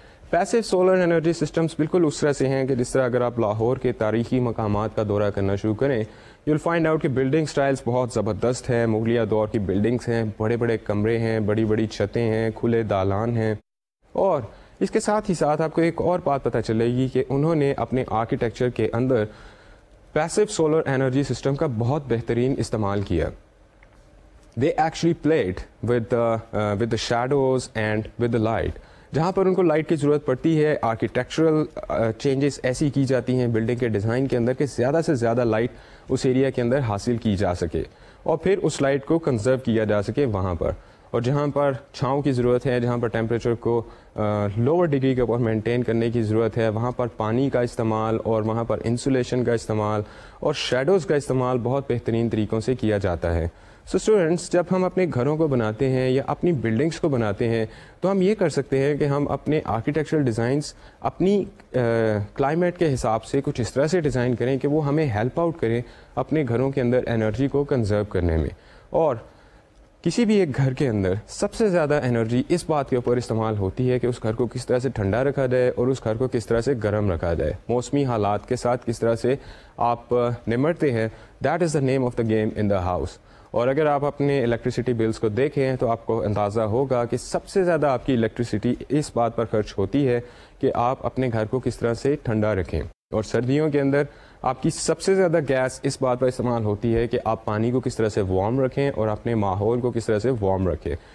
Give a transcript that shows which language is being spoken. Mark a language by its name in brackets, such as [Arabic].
[Urdu] Passive solar energy systems بالکل اس طرح سے ہیں کہ جس طرح اگر آپ لاہور کے تاریخی مقامات کا دورہ کرنا شروع کریں, [English] you will find out [Urdu] کہ بلڈنگ سٹائلز بہت زبردست ہیں, مغلیہ دور کی بلڈنگس ہیں, بڑے بڑے کمرے ہیں, بڑی بڑی چھتیں ہیں, کھلے دالان ہیں, اور اس کے ساتھ ہی ساتھ آپ کو ایک اور بات پتہ چلے گی کہ انہوں نے اپنے آرکیٹیکچر کے اندر پیسو سولر انرجی سسٹم کا بہت بہترین استعمال کیا. [English] They actually played with the shadows and with the light. [Urdu] جہاں پر ان کو لائٹ کی ضرورت پڑتی ہے, آرکیٹیکچرل چینجز ایسی کی جاتی ہیں بلڈنگ کے ڈیزائن کے اندر کہ زیادہ سے زیادہ لائٹ اس ایریا کے اندر حاصل کی جا سکے اور پھر اس لائٹ کو کنزرو کیا جا سکے وہاں پر. اور جہاں پر چھاؤں کی ضرورت ہے, جہاں پر ٹیمپریچر کو لوور ڈگری کے اوپر مینٹین کرنے کی ضرورت ہے, وہاں پر پانی کا استعمال اور وہاں پر انسولیشن کا استعمال اور شیڈوز کا استعمال بہت بہترین طریقوں سے کیا جاتا ہے. سو اسٹوڈنٹس, جب ہم اپنے گھروں کو بناتے ہیں یا اپنی بلڈنگس کو بناتے ہیں تو ہم یہ کر سکتے ہیں کہ ہم اپنے آرکیٹیکچرل ڈیزائنس اپنی کلائمیٹ کے حساب سے کچھ اس طرح سے ڈیزائن کریں کہ وہ ہمیں ہیلپ آؤٹ کریں اپنے گھروں کے اندر انرجی کو کنزرو کرنے میں. اور کسی بھی ایک گھر کے اندر سب سے زیادہ انرجی اس بات کے اوپر استعمال ہوتی ہے کہ اس گھر کو کس طرح سے ٹھنڈا رکھا جائے اور اس گھر کو کس طرح سے گرم رکھا جائے, موسمی حالات کے ساتھ کس طرح سے آپ نمٹتے ہیں. [English] That is the name of the game in the house. [Urdu] اور اگر آپ اپنے الیکٹریسٹی بلز کو دیکھیں تو آپ کو اندازہ ہوگا کہ سب سے زیادہ آپ کی الیکٹریسٹی اس بات پر خرچ ہوتی ہے کہ آپ اپنے گھر کو کس طرح سے ٹھنڈا رکھیں. اور سردیوں کے اندر آپ کی سب سے زیادہ گیس اس بات پر استعمال ہوتی ہے کہ آپ پانی کو کس طرح سے وارم رکھیں اور اپنے ماحول کو کس طرح سے وارم رکھیں.